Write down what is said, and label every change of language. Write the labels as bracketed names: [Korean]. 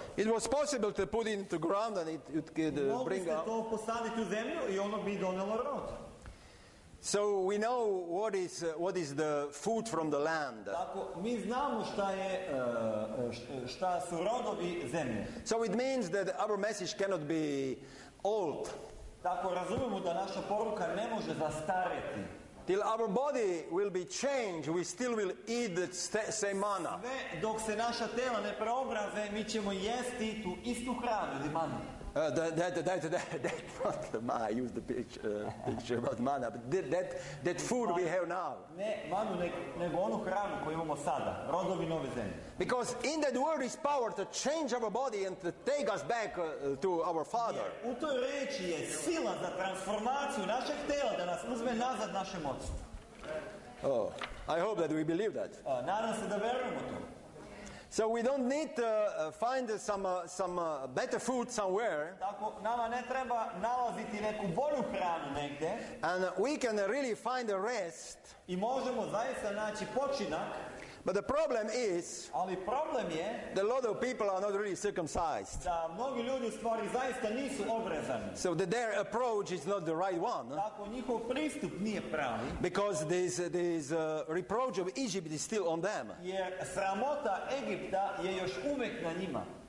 [English] It was possible to put into ground and it could bring up. [Serbian] Mogli ste to posaditi u zemlju i ono bi donelo rod. [English] So we know what is the food from the land. [Serbian] Tako, mi znamo šta je šta su rodovi zemlje. [English] So it means that our message cannot be old. [Serbian] Tako, razumemo da naša poruka ne može zastareti. [English] Till our body will be changed, we still will eat the same manna. [Serbian] Sve dok se naša tela ne preobraze, mi ćemo jesti tu istu hranu, di manu. [English] I used the picture about manna, but that food we have now. [Serbian] Ne manu, nego onu hranu koju imamo sada, rodovi nove zemlje. [English] Because in that word is power to change our body and to take us back to our Father. [Serbian] U toj reči je sila za transformaciju našeg tela, da nas uzme nazad naše moći. [English] Oh, I hope that we believe that. [Serbian] Nadam se da verujemo to. [English] So we don't need to find some better food somewhere. [Serbian] Tako, nama ne treba nalaziti neku bolju hranu negde. [English] And we can really find a rest. [Serbian] I možemo zaista naći počinak. [English] But the problem is, [Serbian] ali problem je, [English] the lot of people are not really circumcised. [Serbian] Da mnogi ljudi stvari zaista nisu obrezani. [English] So that their approach is not the right one. [Serbian] Tako, njihov pristup nije pravi. [English] Because this reproach of Egypt is still on them. [Serbian] Jer sramota Egipta je još uvijek na njima.